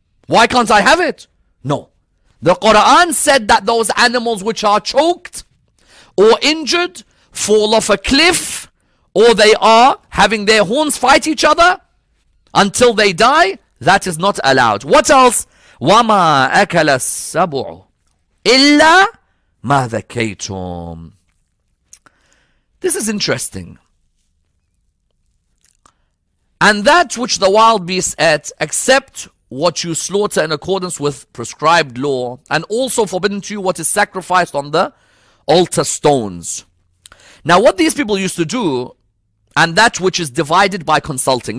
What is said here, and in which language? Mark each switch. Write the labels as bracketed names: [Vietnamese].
[English] Why can't I have it? No. The Quran said that those animals which are choked or injured, fall off a cliff, or they are having their horns fight each other until they die, that is not allowed. What else? [Arabic] وَمَا أَكَلَ السَّبُعُ إِلَّا مَا ذَكَيْتُمْ [English] This is interesting. And that which the wild beasts ate, except what you slaughter in accordance with prescribed law, and also forbidden to you what is sacrificed on the altar stones. Now, what these people used to do, and that which is divided by consulting.